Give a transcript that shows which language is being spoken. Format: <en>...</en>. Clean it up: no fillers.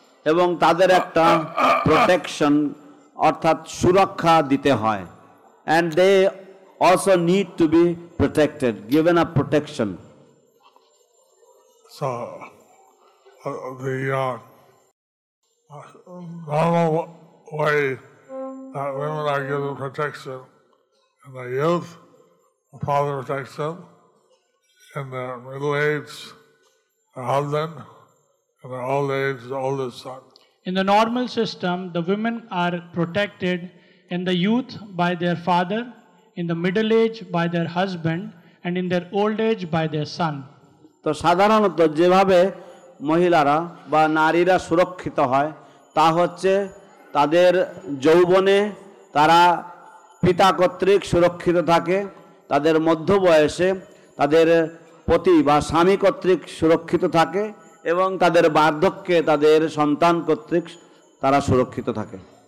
<bn>এবং তাদের একটা প্রোটেকশন অর্থাৎ সুরক্ষা দিতে হয়.</bn> <en>And they also need to be protected, given a protection. So the normal way that women are given protection in their youth, the father protects them, in their middle age, their husband, in their old age, the oldest son. In the normal system, the women are protected in the youth by their father, in the middle age by their husband, and in their old age by their son.</en> <bn>So, সাধারণত যেভাবে মহিলারা বা নারীরা সুরক্ষিত হয় তা হচ্ছে তাদের যৌবনে তারা পিতা কর্তৃক সুরক্ষিত থাকে, তাদের মধ্য বয়সে তাদের পতি বা স্বামী কর্তৃক সুরক্ষিত থাকে, এবং তাদের বার্ধক্যে তাদের সন্তান কর্তৃক তারা সুরক্ষিত থাকে.</bn>